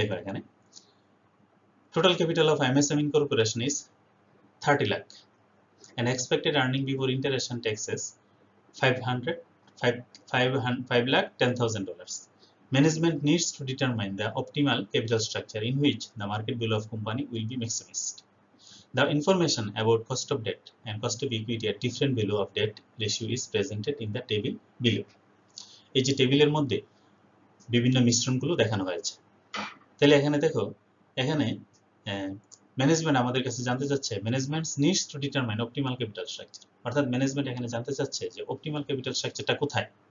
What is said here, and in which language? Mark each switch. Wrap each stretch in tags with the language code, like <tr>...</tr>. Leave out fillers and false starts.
<bn>দেখো এখানে</bn> <en>Total capital of MSME corporation is 30 lakh and expected earning before interest and taxes 500 5 5 5 lakh 10,000 dollar. Management needs to determine the optimal capital structure in which the market value of company will be maximised. The information about cost of debt and cost of equity at different value of debt ratio is presented in the table below.</en> <bn>এই যে টেবিলের মধ্যে বিভিন্ন মিশ্রণগুলো দেখানো হয়েছে, তাহলে এখানে দেখো এখানে ম্যানেজমেন্ট আমাদের কাছে জানতে চাচ্ছে</bn> <en>managements needs to determine optimal capital structure,</en> <bn>অর্থাৎ ম্যানেজমেন্ট এখানে জানতে চাচ্ছে যে অপটিমাল ক্যাপিটাল স্ট্রাকচারটা কোথায়।</bn>